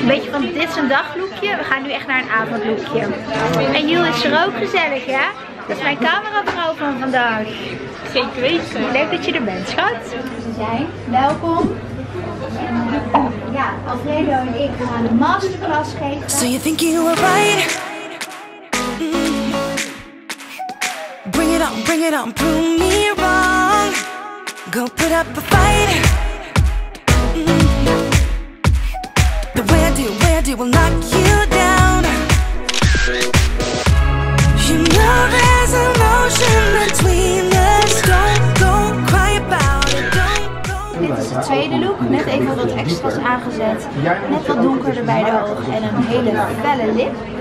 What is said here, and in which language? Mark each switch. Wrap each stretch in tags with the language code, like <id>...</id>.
<nl>Een beetje van dit is een daglookje. We gaan nu echt naar een avondlookje. En Jill is er ook gezellig, hè? Dat is mijn cameravrouw van vandaag. Zeker weten. Leuk dat je er bent, schat. Welkom. Alfredo en ik gaan de masterclass geven.</nl> <en>So you think you were right? Bring it on, bring it on, prove me wrong. Go put up a fight. The way I do, way I do will knock you down. You know there's emotion between us. Don't cry about it.</en> <nl>Dit is de tweede look, net even wat extra's aangezet. Net wat donkerder bij de ogen en een hele felle lip.</nl>